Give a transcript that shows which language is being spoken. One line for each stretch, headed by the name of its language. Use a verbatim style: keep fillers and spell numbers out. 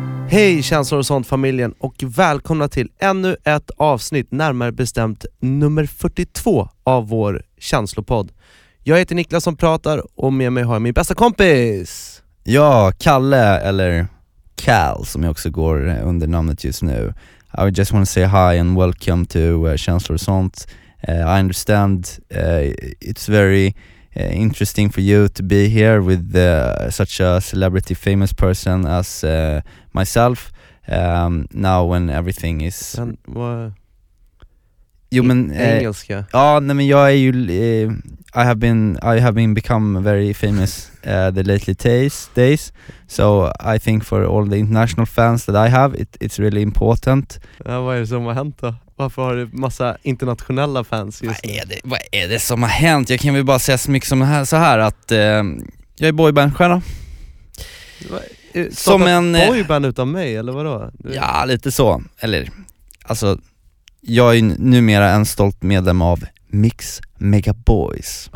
Swedish: Hej Känslor och sånt-familjen och välkomna till ännu ett avsnitt, närmare bestämt nummer fyrtiotvå av vår känslopodd. Jag heter Niklas som pratar och med mig har jag min bästa kompis. Ja, Kalle, eller Cal som jag också går under namnet just nu.
English: I just want to say hi and welcome to uh, Känslor och sånt. Uh, I understand uh, it's very uh, interesting for you to be here with uh, such a celebrity famous person as uh, myself um, now when everything is... And, uh...
Swedish: Jo, men, eh, engelska. Ja, nej, men jag är ju
English: eh, I have been I have been become very famous uh, the lately days, days. So I think for all the international fans that I have, it, it's really important.
Swedish: Ja, vad är det som har hänt då? Varför har du massa internationella fans just nu? Vad är det, vad är det som har hänt? Jag kan väl bara säga så mycket som här, så här att eh, jag är boybandstjärna. Som en boyband utan mig eller vadå? Ja, lite så. Eller alltså, jag är numera en stolt medlem av Mix Mega Boys.